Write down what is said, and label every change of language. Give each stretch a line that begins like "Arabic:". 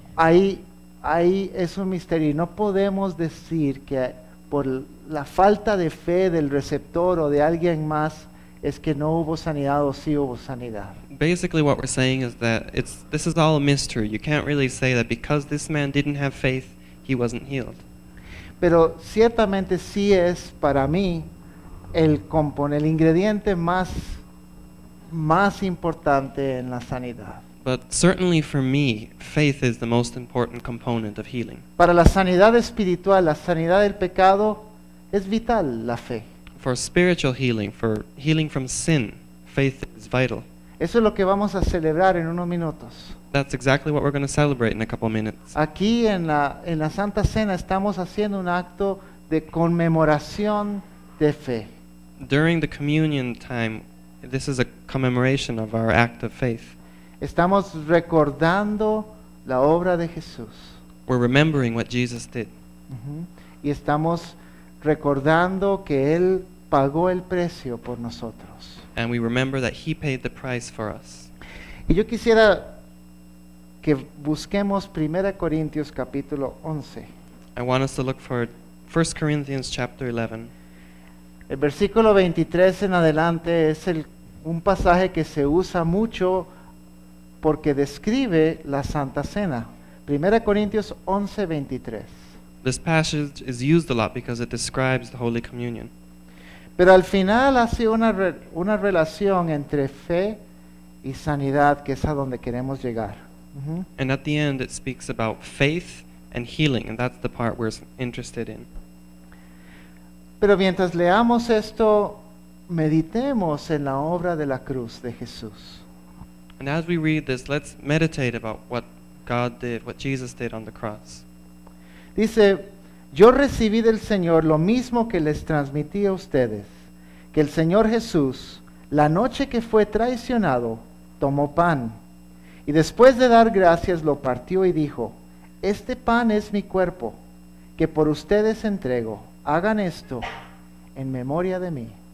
Spanish: Ahí es un misterio. Y no podemos decir que por la falta de fe del receptor o de alguien más es que no hubo sanidad o sí hubo sanidad.
English: Basically, what we're saying is that this is all a mystery. You can't really say that because this man didn't have faith, he wasn't healed.
Spanish: Pero ciertamente sí es para mí el ingrediente más importante en la sanidad.
English: But certainly for me, faith is the most important component of healing.
Spanish: Para la sanidad espiritual, la sanidad del pecado, es vital la fe.
English: For spiritual healing, for healing from sin, faith is vital.
Spanish: Eso es lo que vamos a celebrar en unos minutos.
English: That's exactly what we're going to celebrate in a couple of minutes.
Spanish: Aquí en la Santa Cena estamos haciendo un acto de conmemoración de fe.
English: During the communion time, this is a commemoration of our act of faith.
Spanish: Estamos recordando la obra de Jesús.
English: We're remembering what Jesus did. Uh-huh.
Spanish: Y estamos recordando que Él pagó el precio por nosotros.
English: And we remember that He paid the price for us.
Spanish: Y yo quisiera que busquemos 1 Corintios capítulo 11.
English: I want us to look for 1 Corinthians chapter 11.
Spanish: El versículo 23 en adelante es un pasaje que se usa mucho porque describe la Santa Cena. 1 Corintios 11, 23.
English: This passage is used a lot because it describes the Holy Communion.
Spanish: Pero al final hace una relación entre fe y sanidad, que es a donde queremos llegar.
English: Uh-huh. And at the end it speaks about faith and healing, and that's the part we're interested in.
Spanish: Pero mientras leamos esto, meditemos en la obra de la cruz de Jesús.
English: And as we read this, let's meditate about what God did, what Jesus did on the cross.
Spanish: Dice, yo recibí del Señor lo mismo que les transmití a ustedes, que el Señor Jesús, la noche que fue traicionado, tomó pan, y después de dar gracias lo partió y dijo, este pan es mi cuerpo, que por ustedes entrego, hagan esto en memoria de mí.